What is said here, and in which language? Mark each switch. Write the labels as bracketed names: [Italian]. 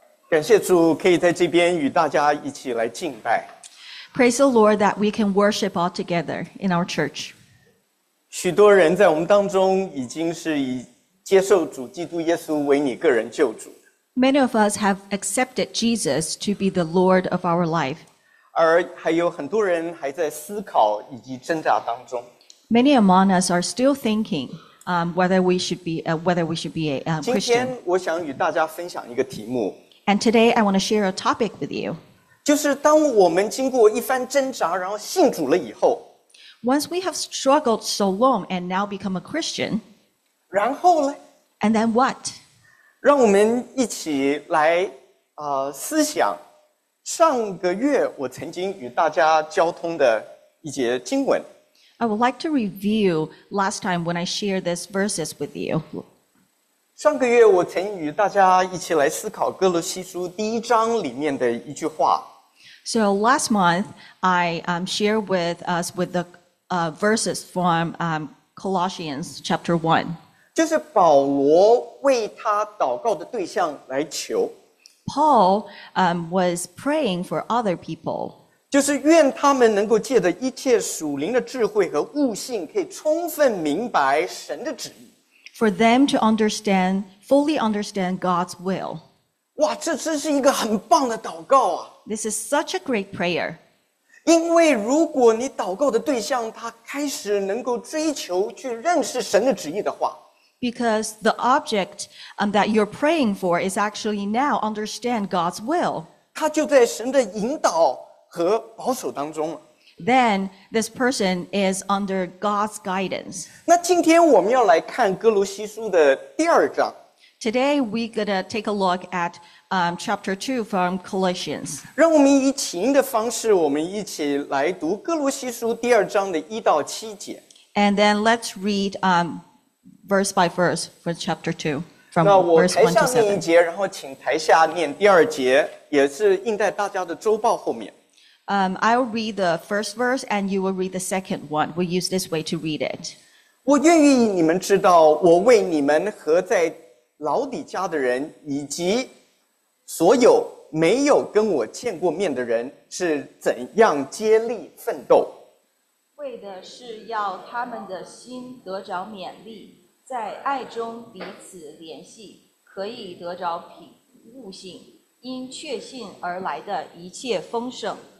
[Chinese] 感谢主，可以在这边与大家一起来敬拜。 [English] Praise the Lord that we can worship all together in our church. [Chinese] 许多人在我们当中已经是以接受主基督耶稣为你个人救主。 [English] Many of us have accepted Jesus to be the Lord of our life. [Chinese] 而还有很多人还在思考以及挣扎当中。 [English] Many among us are still thinking, whether we should be a Christian. [Chinese] 今天我想与大家分享一个题目。 [English] And today I want to share a topic with you. [Chinese] 就是当我们经过一番挣扎，然后信主了以后。 [English] Once we have struggled so long and now become a Christian. [Chinese] 然后呢？ [English] And then what? [Chinese] 让我们一起来思想上个月我曾经与大家交通的一节经文。 [English] I would like to review last time when I shared these verses with you. [Chinese] 上个月我曾与大家一起来思考哥罗西书第一章里面的一句话。 [English] So last month, I shared with us with the verses from Colossians chapter 1. [Chinese] 就是保罗为他祷告的对象来求。 [English] Paul was praying for other people. [Chinese] 就是愿他们能够借着一切属灵的智慧和悟性，可以充分明白神的旨意。 [English] For them to understand, fully understand God's will. [Chinese] 哇，这真是一个很棒的祷告啊！ [English] This is such a great prayer. [Chinese] 因为如果你祷告的对象他开始能够追求去认识神的旨意的话。 [English] Because the object that you're praying for is actually now understand God's will. [Chinese] 他就在神的引导。和保守当中。 [English] Then this person is under God's guidance. [Chinese] 那今天我们要来看哥罗西书的第二章。 [English] Today we're gonna take a look at chapter 2 from Colossians. [Chinese] 让我们以起因的方式，我们一起来读哥罗西书第二章的一到七节。 [English] And then let's read verse by verse for chapter 2 from verse 1 to 7. [Chinese] 那我台上念一节，然后请台下念第二节，也是印在大家的周报后面。 [English] I'll read the first verse and you will read the second one. We'll use this way to read it. [Chinese] 我愿意你们知道我为你们和在老底家的人以及所有没有跟我见过面的人是怎样竭力奋斗。为的是要他们的心得着勉励，在爱中彼此联系，可以得着悟性，因确信而来的一切丰盛。